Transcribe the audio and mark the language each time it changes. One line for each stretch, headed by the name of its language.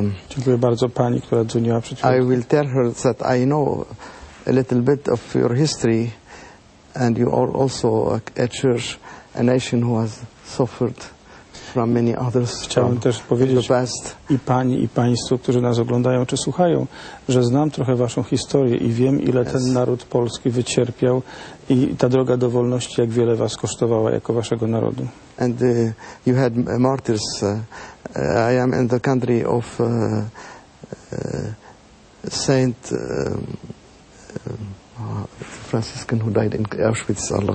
Polish: Dziękuję bardzo pani, która dzwoniła przed chwilą.
English: I will tell her that I know a little bit of your history, and you are also a church, a nation who has suffered from many others.
Polish: Chciałbym też powiedzieć i pani, i państwu, którzy nas oglądają czy słuchają, że znam trochę waszą historię i wiem, ile ten naród polski wycierpiał i ta droga do wolności, jak wiele was kosztowała jako waszego narodu.
English: And you had martyrs. I am in the country of Saint Franciscan who died in Auschwitz.